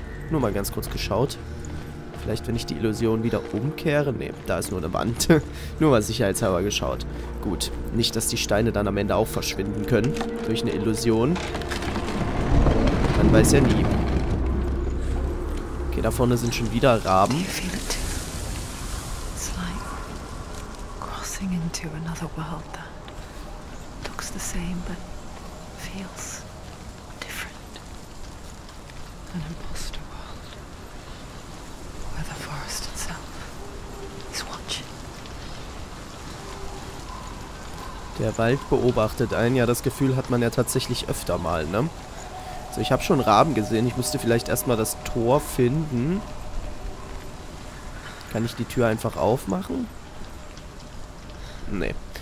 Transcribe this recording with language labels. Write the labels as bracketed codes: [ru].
[de] Nur mal ganz kurz geschaut. Vielleicht, wenn ich die Illusion wieder umkehre. Ne, da ist nur eine Wand. Nur mal sicherheitshalber geschaut. Gut, nicht, dass die Steine dann am Ende auch verschwinden können. Durch eine Illusion. Man weiß ja nie. Okay, da vorne sind schon wieder Raben. [en] It's like crossing into another world, that. looks the same, but feels different. An imposter world. Where the forest itself is watching. [de] Der Wald beobachtet einen. Ja, das Gefühl hat man ja tatsächlich öfter mal, ne? So, ich habe schon Raben gesehen. Ich müsste vielleicht erstmal das Tor finden. Kann ich die Tür einfach aufmachen? Nee.